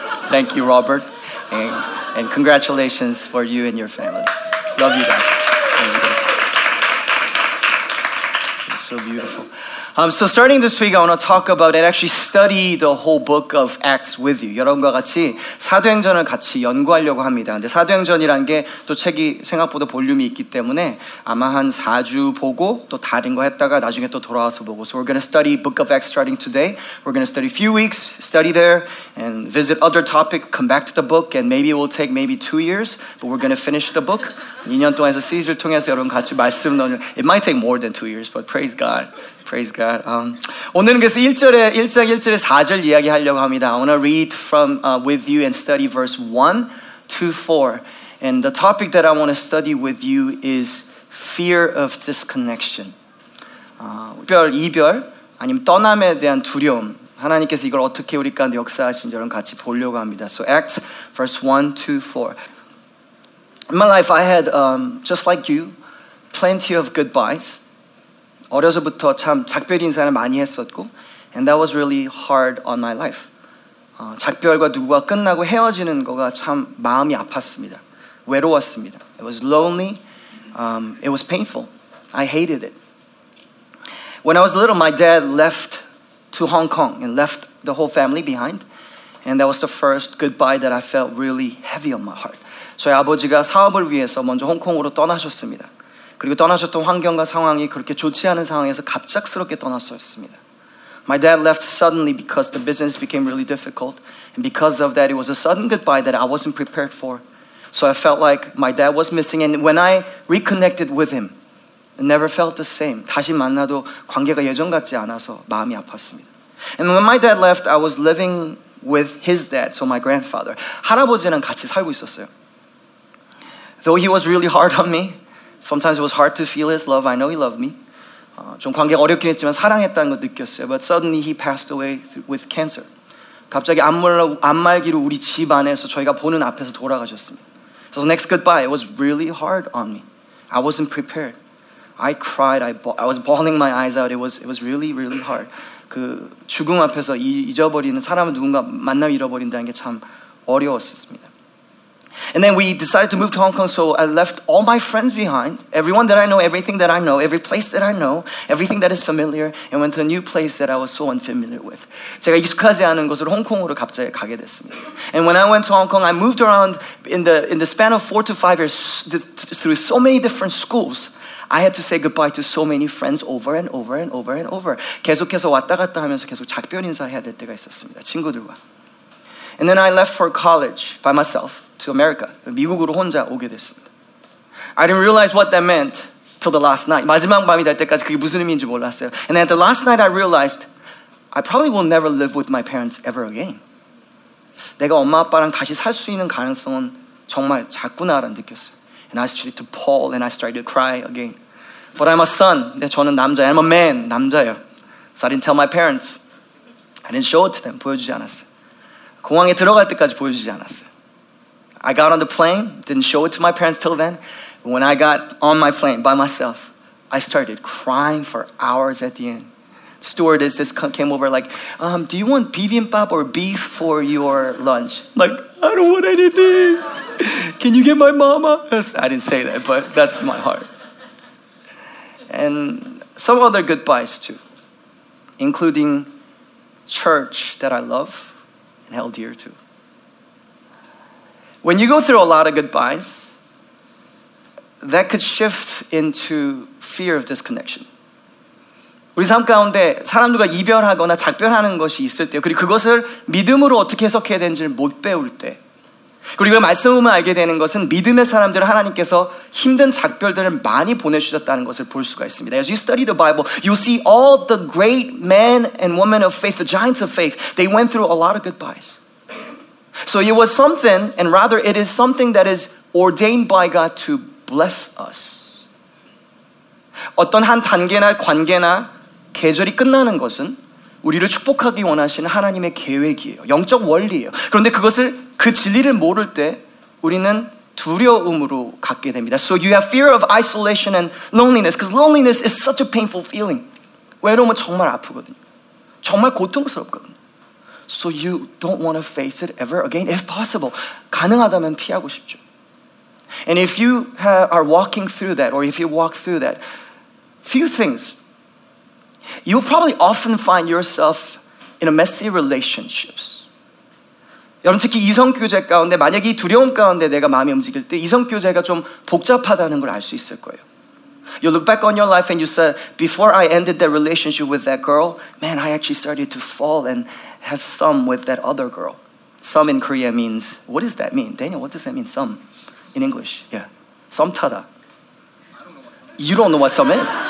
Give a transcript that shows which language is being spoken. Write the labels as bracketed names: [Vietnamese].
[English] Thank you, Robert. And congratulations for you and your family. Love you guys. So beautiful. So starting this week, I want to talk about and actually study the whole book of Acts with you. [Korean] 여러분과 같이 사도행전을 같이 연구하려고 합니다. 근데 사도행전이란 게 또 책이 생각보다 볼륨이 있기 때문에 아마 한 4주 보고 또 다른 거 했다가 나중에 또 돌아와서 보고. [English] So we're going to study book of Acts starting today. We're going to study a few weeks, study there, and visit other topics, come back to the book, and maybe it will take maybe 2 years, but we're going to finish the book. [Korean] 2년 동안에서 시리즈를 통해서 여러분 같이 말씀 나누는. [English] It might take more than 2 years, but praise God. Praise God. [Korean] 오늘은 그래서 1절에 1장 1절에 4절 이야기하려고 합니다. [English] I want to read from with you and study verse 1 to 4. And the topic that I want to study with you is fear of disconnection. [Korean] 이별, 이별 아니면 떠남에 대한 두려움. 하나님께서 이걸 어떻게 우리 가운데 역사하신지 여러분 같이 보려고 합니다. [English] So Acts verse 1 to 4. In my life, I had, just like you, plenty of goodbyes. [Korean] 어려서부터 참 작별 인사를 많이 했었고, [English] and that was really hard on my life. [Korean] 작별과 누구와 끝나고 헤어지는 거가 참 마음이 아팠습니다. 외로웠습니다. [English] It was lonely. It was painful. I hated it. When I was little, my dad left to Hong Kong and left the whole family behind. And that was the first goodbye that I felt really heavy on my heart. [Korean] 저희 아버지가 사업을 위해서 먼저 홍콩으로 떠나셨습니다. 그리고 떠나셨던 환경과 상황이 그렇게 좋지 않은 상황에서 갑작스럽게 떠났었습니다. [English] My dad left suddenly because the business became really difficult. And because of that, it was a sudden goodbye that I wasn't prepared for. So I felt like my dad was missing. And when I reconnected with him, it never felt the same. [Korean] 다시 만나도 관계가 예전 같지 않아서 마음이 아팠습니다. [English] And when my dad left, I was living with his dad, so my grandfather. [Korean] 할아버지랑 같이 살고 있었어요. [English] Though he was really hard on me, sometimes it was hard to feel his love. I know he loved me. [Korean] 좀 관계가 어렵긴 했지만 사랑했다는 걸 느꼈어요. [English] But suddenly he passed away with cancer. [Korean] 갑자기 암말기로 우리 집 안에서 저희가 보는 앞에서 돌아가셨습니다. [English] So the next goodbye, it was really hard on me. I wasn't prepared. I cried. I was bawling my eyes out. It was really, really hard. [Korean] 그 죽음 앞에서 잊어버리는 사람을 누군가 만나 잃어버린다는 게 참 어려웠습니다. [English] And then we decided to move to Hong Kong, so I left all my friends behind, everyone that I know, everything that I know, every place that I know, everything that is familiar, and went to a new place that I was so unfamiliar with. [Korean] 제가 익숙하지 않은 곳으로 홍콩으로 갑자기 가게 됐습니다. [English] And when I went to Hong Kong, I moved around in the span of 4 to 5 years through so many different schools. I had to say goodbye to so many friends over and over and over and over. [Korean] 계속해서 왔다 갔다 하면서 계속 작별 인사해야 될 때가 있었습니다. 친구들과. [English] And then I left for college by myself. To America, [Korean] 미국으로 혼자 오게 됐습니다. [English] I didn't realize what that meant till the last night. [Korean] 마지막 밤이 될 때까지 그게 무슨 의미인지 몰랐어요. [English] And at the last night, I realized I probably will never live with my parents ever again. [Korean] 내가 엄마 아빠랑 다시 살 수 있는 가능성은 정말 작구나라는 느꼈어요. [English] And I started to bawl and I started to cry again. But I'm a son. [Korean] 네, 저는 남자예요. [English] I'm a man. [Korean] 남자예요. [English] So I didn't tell my parents. I didn't show it to them. [Korean] 보여주지 않았어요. 공항에 들어갈 때까지 보여주지 않았어요. [English] I got on the plane, didn't show it to my parents till then. When I got on my plane by myself, I started crying for hours at the end. Stewardess just came over like, do you want bibimbap or beef for your lunch? Like, I don't want anything. Can you get my mama? I didn't say that, but that's my heart. And some other goodbyes too, including church that I love and held dear to. When you go through a lot of goodbyes, that could shift into fear of disconnection. [Korean] 우리 삶 가운데 사람들과 이별하거나 작별하는 것이 있을 때, 그리고 그것을 믿음으로 어떻게 해석해야 되는지를 못 배울 때, 그리고 말씀을 알게 되는 것은 믿음의 사람들은 하나님께서 힘든 작별들을 많이 보내주셨다는 것을 볼 수가 있습니다. [English] As you study the Bible, you'll see all the great men and women of faith, the giants of faith, they went through a lot of goodbyes. So it was something, and rather it is something that is ordained by God to bless us. [Korean] 어떤 한 단계나 관계나 계절이 끝나는 것은 우리를 축복하기 원하시는 하나님의 계획이에요. 영적 원리예요. 그런데 그것을 그 진리를 모를 때 우리는 두려움으로 갖게 됩니다. [English] So you have fear of isolation and loneliness because loneliness is such a painful feeling. [Korean] 외로움은 정말 아프거든요. 정말 고통스럽거든요. [English] So you don't want to face it ever again if possible. [Korean] 가능하다면 피하고 싶죠. [English] And if you are walking through that or if you walk through that, few things. You'll probably often find yourself in a messy relationships. [Korean] 여러분 특히 이성교제 가운데 만약에 이 두려움 가운데 내가 마음이 움직일 때 이성교제가 좀 복잡하다는 걸 알 수 있을 거예요. [English] You look back on your life and you said, before I ended that relationship with that girl, man, I actually started to fall and have some with that other girl. Some in Korea means, what does that mean? Daniel, what does that mean, some? In English, yeah. Some 타다. You don't know what some is.